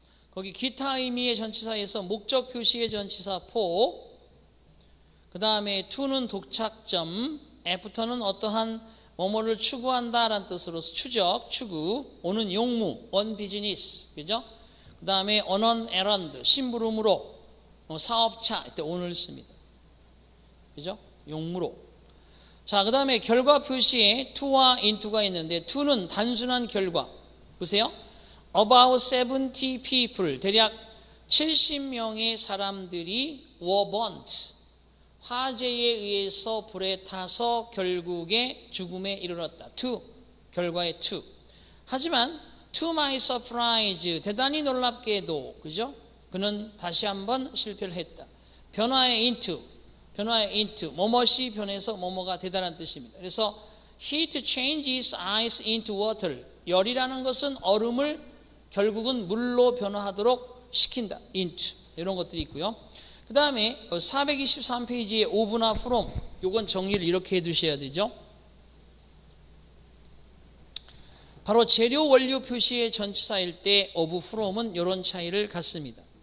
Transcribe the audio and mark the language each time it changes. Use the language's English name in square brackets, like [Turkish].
[Korean] 거기 기타 의미의 전치사에서 목적 표시의 전치사 for, 그 다음에 to는 도착점, after는 어떠한 뭐뭐를 추구한다 라는 뜻으로 추적, 추구, 오는 용무, on business, 그죠? 그 다음에 on an errand, 심부름으로, 사업차, 이때 on을 씁니다. 그죠? 용무로. 자, 그 다음에 결과 표시에 to와 into가 있는데, to는 단순한 결과. 보세요. [English] About 70 people, 대략 70명의 사람들이 were burnt. [Korean] 화재에 의해서 불에 타서 결국에 죽음에 이르렀다. To, 결과의 to. 하지만 to my surprise, 대단히 놀랍게도, 그죠? 그는 다시 한번 실패를 했다. 변화의 into, 변화의 into, 뭐뭐시 변해서 뭐뭐가 대단한 뜻입니다. [English] 그래서 heat changes ice into water. [Korean] 열이라는 것은 얼음을 결국은 물로 변화하도록 시킨다. into, 이런 것들이 있고요. 그 다음에 423페이지에 of나 from, 요건 정리를 이렇게 해두셔야 되죠. 바로 재료 원료 표시의 전치사일 때 of, from은 요런 차이를 갖습니다.